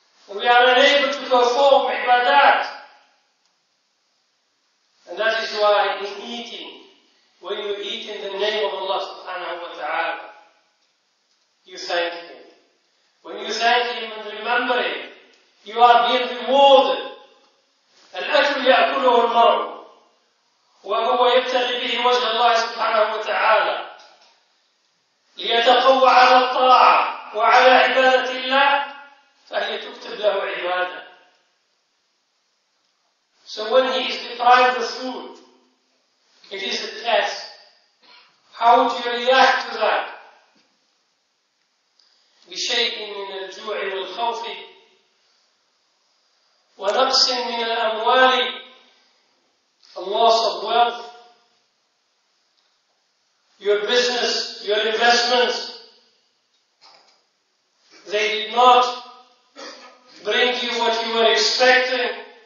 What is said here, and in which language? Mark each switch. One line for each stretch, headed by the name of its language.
English: And we are unable to perform ibadat. And that is why in eating, when you eat in the name of Allah subhanahu wa ta'ala, you thank Him. When you thank Him and remember Him, you are being rewarded.
Arabic: الأكل يأكله المرء وهو يبتغي به وجه الله سبحانه وتعالى ليتقوى على الطاعة وعلى عبادة الله فهي تكتب له عبادة.
English: So when he is deprived of food, it is a test. How do you react to that?
Arabic: بشيء من الجوع والخوف ونقص من الأموال,
English: a loss of wealth, your business, your investments, they did not bring you what you were expecting.